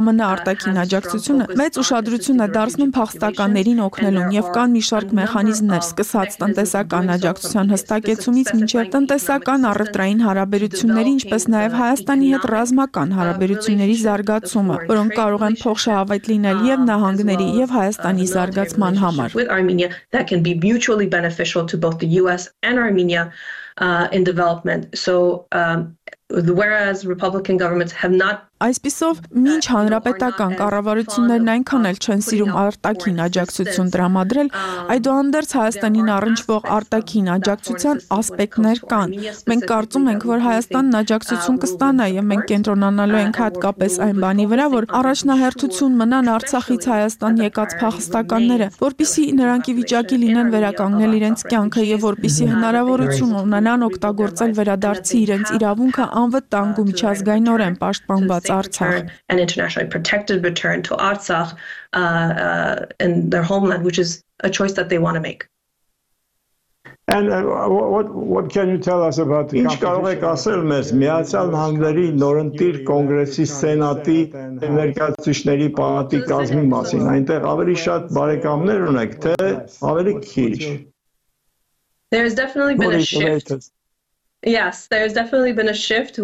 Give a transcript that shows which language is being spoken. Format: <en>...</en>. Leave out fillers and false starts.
<hy>ԱՄՆ արտաքին աջակցությունը մեծ ուշադրություն է դարձնում փախստականներին օգնելուն եւ կան մի շարք մեխանիզմներ, սկսած տնտեսական աջակցության հստակեցումից մինչեւ տնտեսական արտային հարաբերությունների, ինչպես նաև Հայաստանի հետ ռազմական հարաբերությունների զարգացումը, որոնք կարող են փոխշահավետ լինել եւ նահանգների եւ Հայաստանի զարգացման համար։</hy> <en>That can be mutually beneficial to both the US and Armenia in development. So whereas Republican governments have not</en> <hy>Այսպիսով, մինչ հանրապետական կառավարություններն այնքան էլ չեն սիրում արտաքին աջակցություն տրամադրել, այդուհանդերձ Հայաստանին առնչվող արտաքին աջակցության ասպեկտներ կան։ Մենք կարծում ենք, որ Հայաստանն աջակցություն կստանա, եւ մենք կենտրոնանալու ենք հատկապես այն բանի վրա, որ առաջնահերթություն մնան Արցախից Հայաստան եկած փախստականները, որպիսի նրանք ի վիճակի լինեն վերականգնել իրենց կյանքը եւ որպիսի հնարավորություն ունենան օգտագործել վերադարձի իրենց իրավունքը անվտանգ ու միջազգայնորեն պաշտպանված</hy> <en>an internationally protected return to Artsakh and their homeland, which is a choice that they want to make. And what can you tell us about the</en> <hy>Ինչ կարող եք ասել մեզ Միացյալ Նահանգների նորընտիր կոնգրեսի սենատի ներկայացուցիչների պատի կազմի մասին, այնտեղ ավելի շատ բարեկամներ ունեք, թե ավելի քիչ?</hy> <en>There has definitely been a shift Yes, there's definitely been a shift.</en>